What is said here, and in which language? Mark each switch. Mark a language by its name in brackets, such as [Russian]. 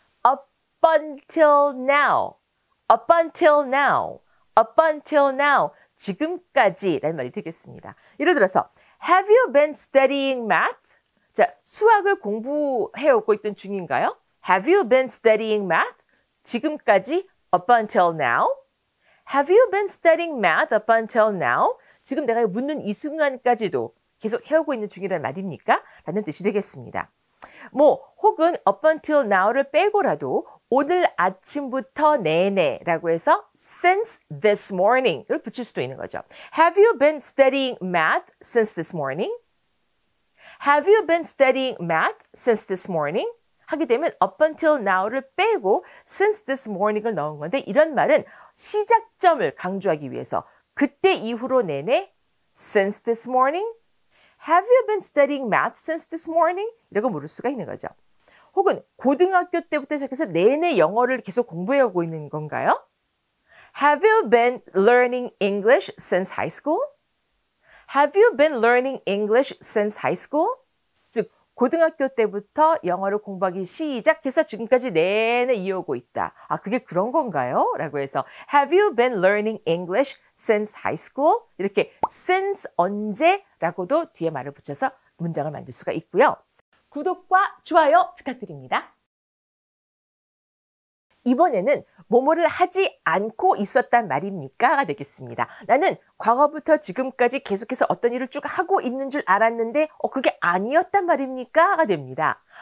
[English] Up until now, up until now, up until now, [Korean] 지금까지라는 말이 되겠습니다. 예를 들어서 [English] Have you been studying math? [Korean] 자, 수학을 공부해오고 있던 중인가요? [English] Have you been studying math? [Korean] 지금까지? [English] Up until now? Have you been studying math up until now? [Korean] 지금 내가 묻는 이 순간까지도 계속 해오고 있는 중이란 말입니까? 라는 뜻이 되겠습니다. 뭐 혹은 [English] up until now [Korean] 를 빼고라도 오늘 아침부터 내내 라고 해서 [English] since this morning [Korean] 을 붙일 수도 있는 거죠. [English] Have you been studying math since this morning? Have you been studying math since this morning? [Korean] 하게 되면 [English] up until now [Korean] 를 빼고 [English] since this morning [Korean] 을 넣은 건데 이런 말은 시작점을 강조하기 위해서 그때 이후로 내내 [English] since this morning? Have you been studying math since this morning? [Korean] 이라고 물을 수가 있는 거죠. 혹은 고등학교 때부터 시작해서 내내 영어를 계속 공부해오고 있는 건가요? [English] Have you been learning English since high school? Have you been learning English since high school? [Korean] 즉, 고등학교 때부터 영어를 공부하기 시작해서 지금까지 내내 이어오고 있다. 아, 그게 그런 건가요? 라고 해서 [English] Have you been learning English since high school? [Korean] 이렇게 [English] since [Korean] 언제? 라고도 뒤에 말을 붙여서 문장을 만들 수가 있고요. 구독과 좋아요 부탁드립니다. 이번에는 뭐뭐를 하지 않고 있었단 말입니까?가 되겠습니다. 나는 과거부터 지금까지 계속해서 어떤 일을 쭉 하고 있는 줄 알았는데 그게 아니었단 말입니까?가 됩니다.